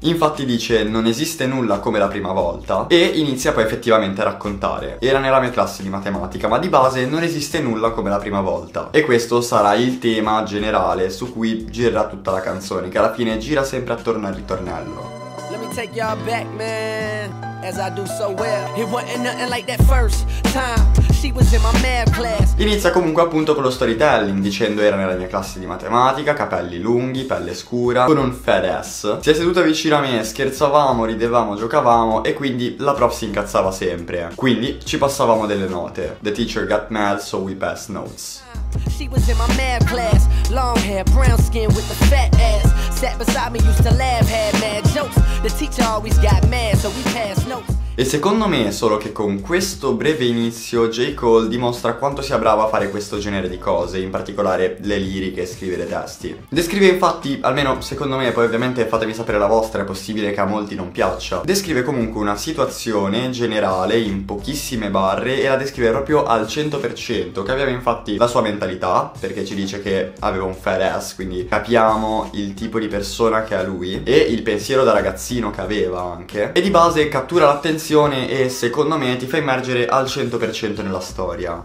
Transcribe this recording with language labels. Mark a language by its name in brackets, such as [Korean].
[Italian] Infatti dice: "Non esiste nulla come la prima volta", e inizia poi effettivamente a raccontare. Era nella mia classe di matematica, ma di base non esiste nulla come la prima volta. E questo sarà il tema generale su cui girerà tutta la canzone, che alla fine gira sempre attorno al ritornello. [English] Let me take y'all back, man, as I do so well. It wasn't nothing like that first time. [Italian] Inizia comunque appunto con lo storytelling, dicendo: "Era nella mia classe di matematica, capelli lunghi, pelle scura, con un fat ass. Si è seduta vicino a me, scherzavamo, ridevamo, giocavamo, e quindi la prof si incazzava sempre. Quindi ci passavamo delle note. [English] The teacher got mad, so we passed notes." She was in my math class, long hair, brown skin with a fat ass. Sat beside me, used to laugh, had mad jokes. The teacher always got mad, so we passed notes. [Italian] E secondo me è solo che con questo breve inizio J. Cole dimostra quanto sia bravo a fare questo genere di cose, in particolare le liriche e scrivere testi. Descrive infatti, almeno secondo me, poi ovviamente fatemi sapere la vostra, è possibile che a molti non piaccia, descrive comunque una situazione generale in pochissime barre e la descrive proprio al 100%, capiamo infatti la sua mentalità, perché ci dice che aveva un fat ass, quindi capiamo il tipo di persona che ha lui e il pensiero da ragazzino che aveva anche, e di base cattura l'attenzione e secondo me ti fa immergere al 100% nella storia.